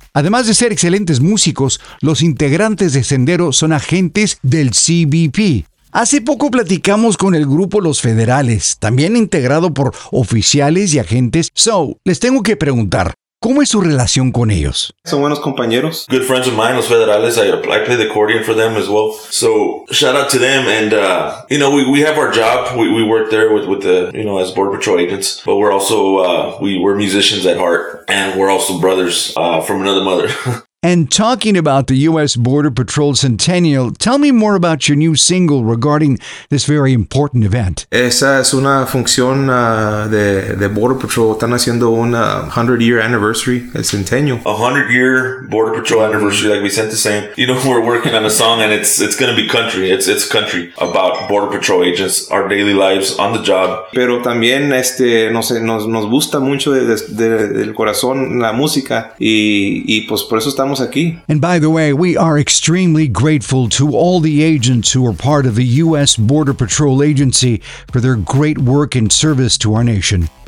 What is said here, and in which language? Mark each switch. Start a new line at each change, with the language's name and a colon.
Spanish: Además de ser excelentes músicos, los integrantes de Sendero son agentes del CBP. Hace poco platicamos con el grupo Los Federales, también integrado por oficiales y agentes. So, les tengo que preguntar, ¿cómo es su relación con ellos? Son buenos compañeros.
English: Good friends of mine, Los Federales. I play the accordion for them as well. So, shout out to them. And, you know, we have our job. We work there with the, you know, as Border Patrol agents. But we're also, we're musicians at heart. And we're also brothers from another mother. And talking about the U.S. Border Patrol Centennial, tell me more about your new single regarding this very important event.
Spanish: Esa es una función de Border Patrol. Están haciendo un
English: 100-year anniversary,
Spanish: el centenio.
English: 100-year Border Patrol anniversary, like Vicente saying. You know, we're working on a song and it's going to be country. It's country about Border Patrol agents, our daily lives on the job.
Spanish: Pero también nos gusta mucho del corazón la música y pues por eso estamos estamos aquí.
English: And by the way, we are extremely grateful to all the agents who are part of the U.S. Border Patrol Agency for their great work and service to our nation.